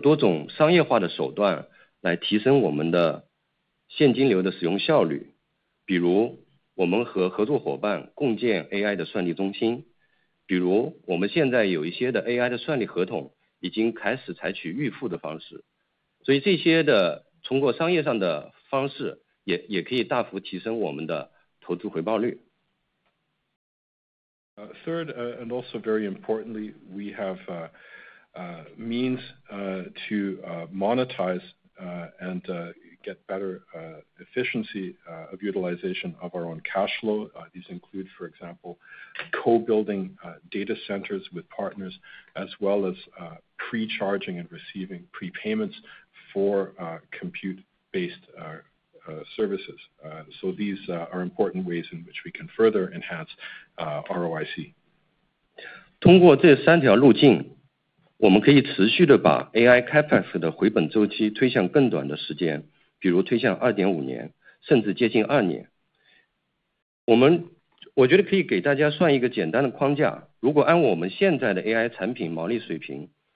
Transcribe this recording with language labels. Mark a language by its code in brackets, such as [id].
[zh] 我们还有第三点也很重要，我们还有多种商业化的手段来提升我们的 现金流的使用效率，比如我们和合作伙伴共建 AI 的算力中心，比如我们现在有一些的 AI 的算力合同已经开始采取预付的方式，所以这些的通过商业上的方式也可以大幅提升我们的投资回报率。 [en] Third, and also very importantly, we have means to monetize and get better efficiency of utilization of our own cash flow. These include, for example, co-building data centers with partners, as well as pre-charging and receiving prepayments for compute-based services. So these are important ways in which we can further enhance ROIC. [zh] 通过这三条路径, 我们可以持续地把AI开发的回本周期推向更短的时间, 比如推向2.5年，甚至接近2年。我们，我觉得可以给大家算一个简单的框架。如果按我们现在的AI产品毛利水平，